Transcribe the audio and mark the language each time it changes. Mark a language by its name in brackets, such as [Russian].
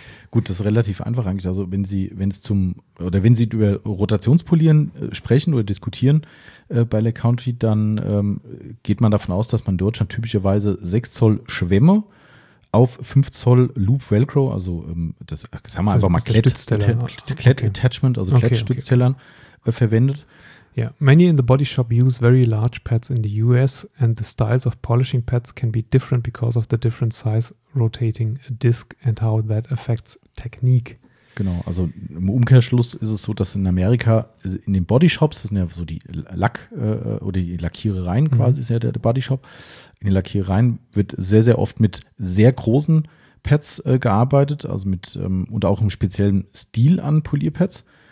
[German] Gut, das ist relativ einfach eigentlich. Also wenn Sie über Rotationspolieren sprechen oder diskutieren bei Le Country, dann geht man davon aus, dass man in Deutschland typischerweise 6 Zoll Schwämme auf 5 Zoll Loop Velcro, also das sagen wir einfach mal Klett-Attachment, also Klettstütztellern verwendet. [English] Yeah, many in the body shop use very large pads in the US and the styles of polishing pads can be different because of the different size rotating disc and how that affects technique. [German] Genau, also im Umkehrschluss ist es so, dass in Amerika in den Body Shops, das sind ja so die Lack oder die Lackierereien quasi, ist ja der Body Shop, in den Lackierereien wird sehr, sehr oft mit sehr großen Pads gearbeitet, also mit und auch im speziellen Stil an Polierpads.